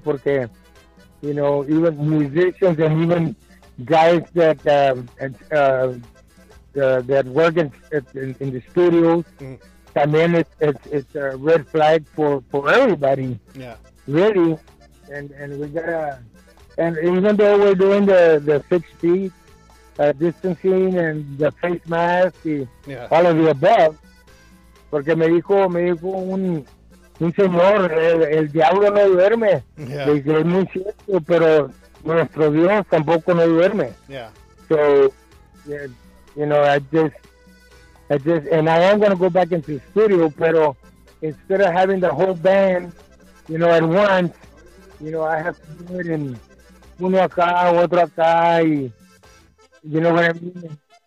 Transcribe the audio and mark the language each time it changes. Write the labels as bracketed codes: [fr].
[en] Porque, you know, even musicians and even guys that work in the studios, mm-hmm. I mean, it's a red flag for everybody. Yeah, really, and we gotta. And even though we're doing the 6 feet distancing and the face mask, yeah. all of the above, [es] porque me dijo un señor, el diablo no duerme. [en] Yeah. [es] Le dije, es muy cierto, pero nuestro Dios tampoco no duerme. [en] Yeah. So, yeah, you know, I just, and I am going to go back into the studio, pero instead of having the whole band, you know, at once, you know, I have to do it in [es] uno acá, otro acá, y, [en] you know what I mean?